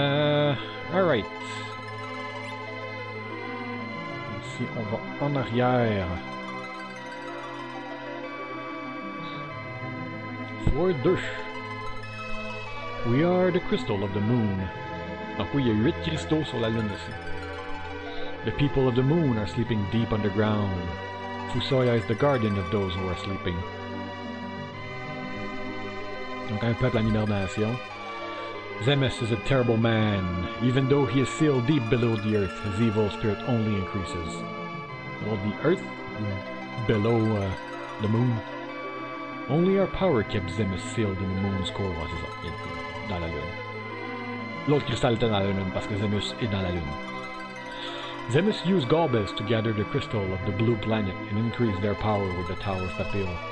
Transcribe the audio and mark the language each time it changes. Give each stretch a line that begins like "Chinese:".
French: Alright. Ici, on va en arrière.
English: Floor 2. We are the crystal of the moon.
French: Donc oui, il y a 8 cristaux sur la lune aussi.
English: The people of the moon are sleeping deep underground. Fusoya is the guardian of those who are sleeping.
French: Donc un peuple en hibernation.
English: Zemus is a terrible man. Even though he is sealed deep below the earth, his evil spirit only increases. Below the earth? Below the moon? Only our power kept Zemus sealed in the moon's core.
French: Oh, c'est ça. Il est dans la lune. L'autre cristal était dans la lune parce que Zemus est dans la lune.
English: Zemus used Galbez to gather the crystal of the blue planet and increase their power with the Tower of Babel.